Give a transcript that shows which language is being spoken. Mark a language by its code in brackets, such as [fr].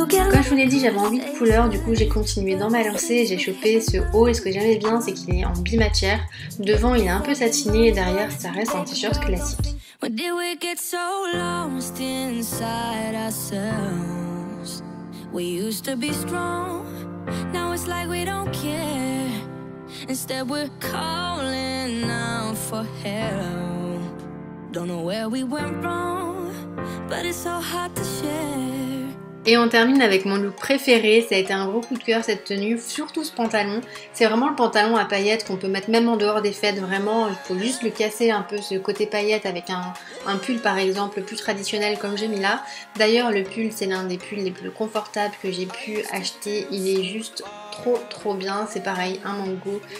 [fr] Comme je vous l'ai dit, j'avais envie de couleur, du coup j'ai continué dans ma lancée, j'ai chopé ce haut et ce que j'aimais bien c'est qu'il est en bimatière. Devant il est un peu satiné et derrière ça reste un t-shirt classique. [en] When did we get so lost inside ourselves? We used to be strong, now it's like we don't care. Instead we're calling out for help. Don't know where we went wrong, but it's so hard to share. [fr] Et on termine avec mon look préféré, ça a été un gros coup de cœur cette tenue, surtout ce pantalon. C'est vraiment le pantalon à paillettes qu'on peut mettre même en dehors des fêtes, vraiment, il faut juste le casser un peu ce côté paillettes avec un pull par exemple plus traditionnel comme j'ai mis là. D'ailleurs le pull c'est l'un des pulls les plus confortables que j'ai pu acheter, il est juste trop bien, c'est pareil, un mango.